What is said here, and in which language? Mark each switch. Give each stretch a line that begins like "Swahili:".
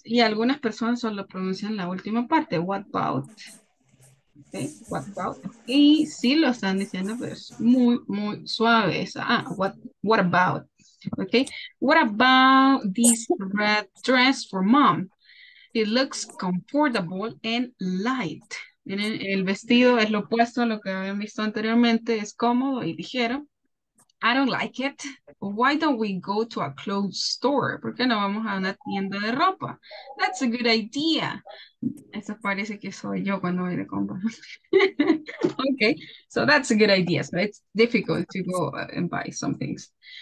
Spanish: Y algunas personas solo pronuncian la última parte.
English: What about? Okay. What about?
Spanish: Y sí lo están diciendo, pero es muy, muy suave.
English: Ah, what about? Okay, what about this red dress for mom? It looks comfortable and light.
Spanish: Miren, el vestido es lo opuesto a lo que habían visto anteriormente. Es cómodo y ligero.
English: I don't like it. Why don't we go to a clothes store?
Spanish: ¿Por qué no vamos a una tienda de ropa?
English: That's a good idea.
Spanish: Eso parece que soy yo cuando voy de compras.
English: Okay, so that's a good idea. So it's difficult to go and buy some things.